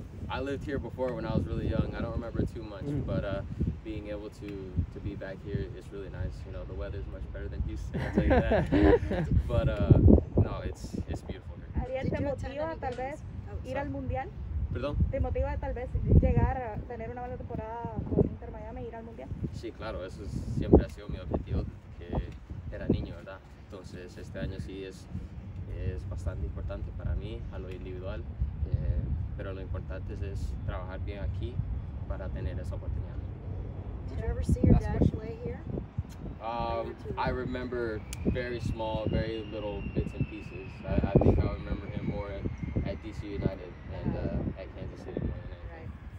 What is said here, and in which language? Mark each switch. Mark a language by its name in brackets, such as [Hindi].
[English] I lived here before when I was really young. I don't remember too much, but being able to be back here is really nice. You know, the weather's much better than Houston, I'll tell you that. But no, it's beautiful here. [Spanish] Ariel, ¿te motiva tal vez ir al Mundial? Perdón? ¿Te motiva tal vez llegar a tener una buena temporada con Inter Miami e ir al Mundial? Sí, claro, eso siempre ha sido mi objetivo, que era niño, ¿verdad? Entonces, este año sí es bastante importante para mí, a lo individual. Pero lo importante es trabajar bien aquí para tener esa oportunidad. [English] Did you ever see your dad play here? I remember very small, very little bits and pieces. I think I remember him more at DC United and at Kansas City more than anything.